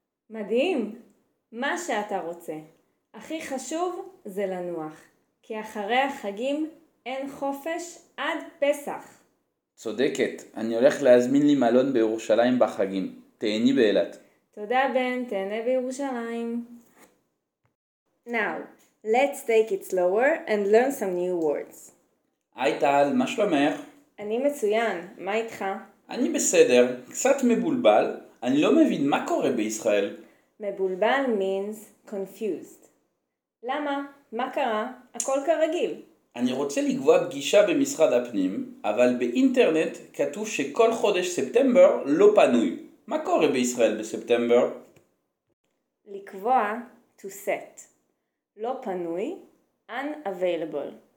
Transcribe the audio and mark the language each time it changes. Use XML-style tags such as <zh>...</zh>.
<he>מדהים. מה שאתה רוצה. הכי חשוב זה לנוח. כי אחרי החגים אין חופש עד פסח. צודקת. אני הולך להזמין לי מלון בירושלים בחגים. תהני באילת. תודה, בן. תהנה בירושלים.</he> <en>Now, let's take it slower and learn some new words.</en> <he>היי טל, מה שלומך? אני מצוין. מה איתך? אני בסדר. קצת מבולבל. אני לא מבין מה קורה בישראל. מבולבל</he> <en>means confused.</en> <he>למה? מה קרה? הכל כרגיל. אני רוצה לקבוע פגישה במשרד הפנים, אבל באינטרנט כתוב שכל חודש ספטמבר לא פנוי. מה קורה בישראל בספטמבר? לקבוע</he> <en>to set.</en> <he>לא פנוי,</he> <en>unavailable.</en>